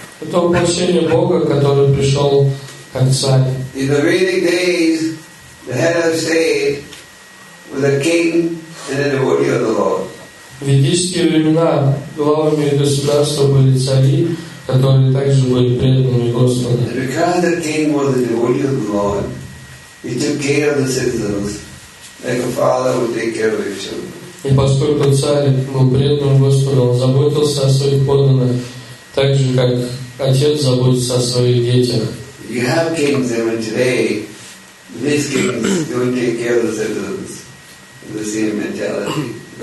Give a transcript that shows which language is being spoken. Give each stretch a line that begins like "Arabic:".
Russian: Это воплощение Бога, который пришел как царь.
English: In the Vedic days, the head of state was a king and a devotee of the Lord.
Russian: В ведические времена главами государства были цари, которые также были преданными Господу.
English: Because the king was a devotee of the Lord, he took care of the citizens like a father would take care of his children.
Russian: И поскольку царь был преданным Господу, он заботился о своих подданных так же, как отец заботится о своих детях.
English: You have kings, even today, these kings don't take care of the citizens with the same mentality.